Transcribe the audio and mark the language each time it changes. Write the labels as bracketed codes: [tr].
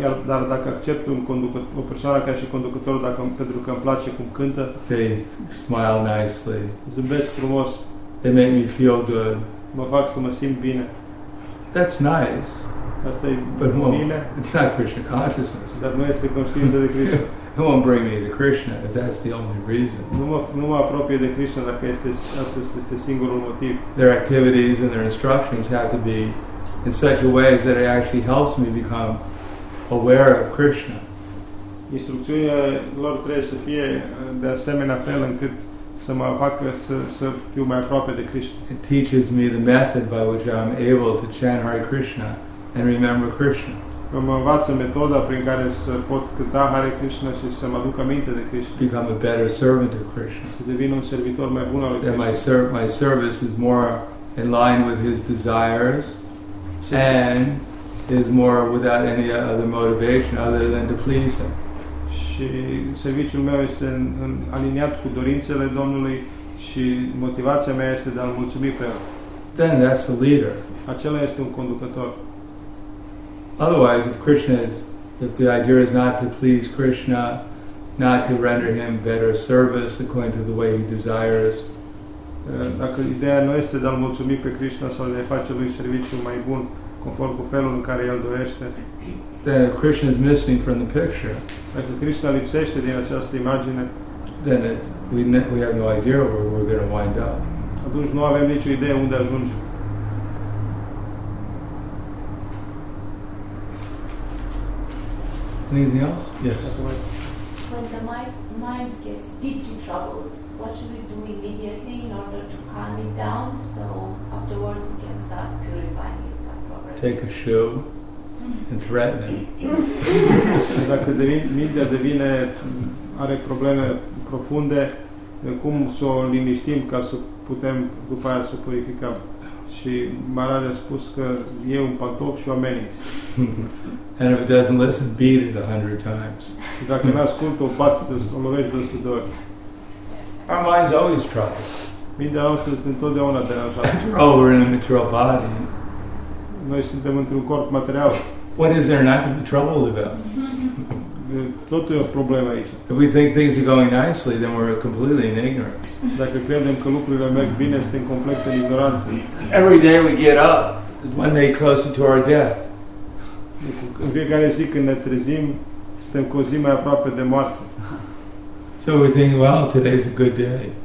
[ro] Dar dacă accept o persoană ca și conducător, pentru că îmi place cum cântă, [en] they smile nicely. [ro] Zâmbesc frumos. [en] They make me feel good. [ro] Mă fac să mă simt bine. [en] That's nice. [ro] Asta e [en] but [ro] bine. [en] Well, it's not Krishna consciousness. [ro] Dar nu este conștiința de Krishna. [en] It won't bring me to Krishna if that's the only reason. [ro] Nu mă apropie de Krishna dacă este singurul motiv. [en] Their activities and their instructions have to be in such a way as that it actually helps me become aware of Krishna. [ro] Instrucțiunile lor trebuie să fie de asemenea fel încât să mă facă să fiu mai aproape de Krishna. [en] It teaches me the method by which I'm able to chant Hare Krishna and remember Krishna. [ro] Mă învață metoda prin care să pot cânta Hare Krishna și să mă aduc aminte de Krishna. [en] Become a better servant of Krishna. [ro] Să devin un servitor mai bun al lui Krishna. [en] My service is more in line with his desires and is more without any other motivation other than to please him. [ro] Și serviciul meu este aliniat cu dorințele Domnului și motivația mea este de a-L mulțumi pe El. [en] Then that's the leader. [ro] Acela este un conducător. [en] Otherwise, if the idea is not to please Krishna, not to render him better service according to the way he desires, [ro] dacă ideea nu este de a-L mulțumi pe Krishna sau de a face lui serviciul mai bun conform cu felul în care el dorește, [en] then if Krishna is missing from the picture, [ro] dacă Krishna lipsește din această imagine, [en] then we have no idea where we're going to wind up. [ro] Atunci nu avem nicio idee unde ajungem. [en] Anything else? Yes. When the mind gets deeply troubled, what should we do immediately in order to calm it down so afterward we can start purifying it? Take a shoe and threaten it. [ro] Dacă mintea devine are probleme profunde, cum să o liniștim ca să putem după aia să purificăm? Și Maharaj a spus că e un pantof și o ameninț. [en] And if it doesn't listen, beat it 100 times. [ro] Dacă nu ascultă, o lovești de 100 de ori. [en] Our minds always try. [ro] Mintea noastră este întotdeauna deranjată. [en] After all, we're in a material body. [ro] Noi suntem într-un corp material. [en] What is there not to be troubled about? [ro] tot e o problemă aici. [en] If we think things are going nicely, then we're completely in ignorance. [ro] Dacă credem că lucrurile merg bine, suntem complet în ignoranță. [en] Every day we get up, one day closer to our death. [ro] În fiecare zi când ne trezim, suntem cu o zi mai aproape de moarte. [en] So we think, well, today's a good day.